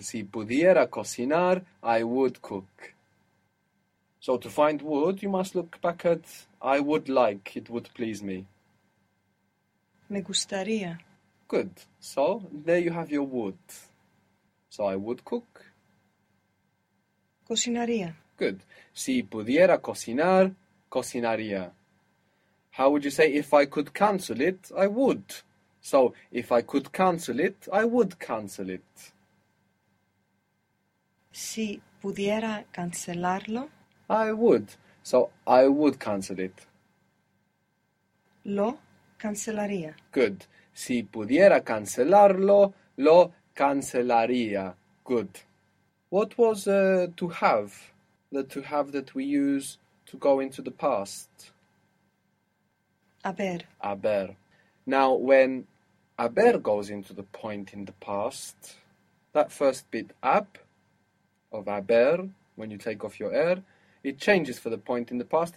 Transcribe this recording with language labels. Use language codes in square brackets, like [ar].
[es] Si pudiera cocinar, [en] I would cook. So to find would, you must look back at I would like, it would please me. [es] Me gustaría. [en] Good. So there you have your would. So I would cook. [es] Cocinaría. [en] Good. [es] Si pudiera cocinar, cocinaría. [en] How would you say, if I could cancel it, I would? So, if I could cancel it, I would cancel it. [es] Si pudiera cancelarlo? [en] I would. So, I would cancel it. [es] Lo cancelaría. [en] Good. [es] Si pudiera cancelarlo, lo cancelaría. [en] Good. What was to have, the to have that we use to go into the past? [es] Haber. Haber. [en] Now, when haber goes into the point in the past, that first bit, ab, of haber, when you take off your er, it changes for the point in the past.